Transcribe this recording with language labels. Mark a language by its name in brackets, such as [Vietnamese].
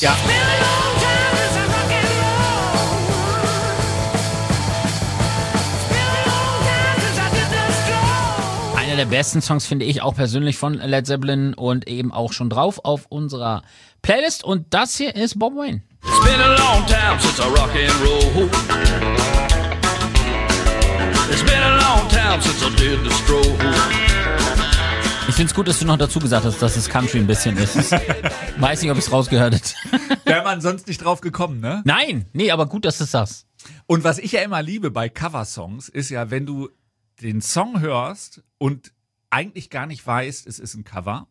[German] Ja. Der besten Songs finde ich auch persönlich von Led Zeppelin und eben auch schon drauf auf unserer Playlist. Und das hier ist Bob Wayne. [English] It's been a long time since I rock and roll. It's been a long time since I did the stroll. [German] Ich finde es gut, dass du noch dazu gesagt hast, dass es Country ein bisschen ist. Weiß nicht, ob ich es rausgehört habe. Wäre man sonst nicht drauf gekommen, ne? Nein, nee, aber gut, dass es das. Und was ich ja immer liebe bei Coversongs ist ja, wenn du den Song hörst und eigentlich gar nicht weißt, es ist ein Cover.